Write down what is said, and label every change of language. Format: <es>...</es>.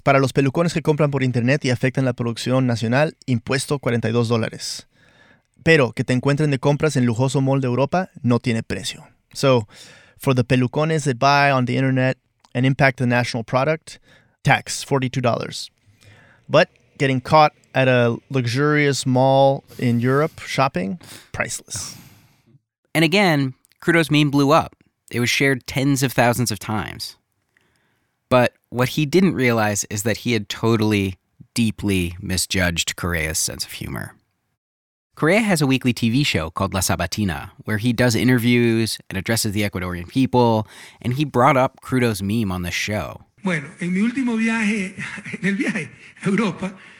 <es>Para los pelucones que compran por internet y afectan la producción nacional, impuesto $42. Pero que te encuentren de compras en lujoso mall de Europa, no tiene precio.</es> <en>So, for the pelucones that buy on the internet and impact the national product, tax, $42. But getting caught at a luxurious mall in Europe shopping, priceless. And again, Crudo's meme blew up. It was shared tens of thousands of times. But what he didn't realize is that he had totally, deeply misjudged Correa's sense of humor. Correa has a weekly TV show called La Sabatina, where he does interviews and addresses the Ecuadorian people, and he brought up Crudo's meme on the show.</en> <es>Bueno, en mi último viaje, en el viaje a Europa,</es>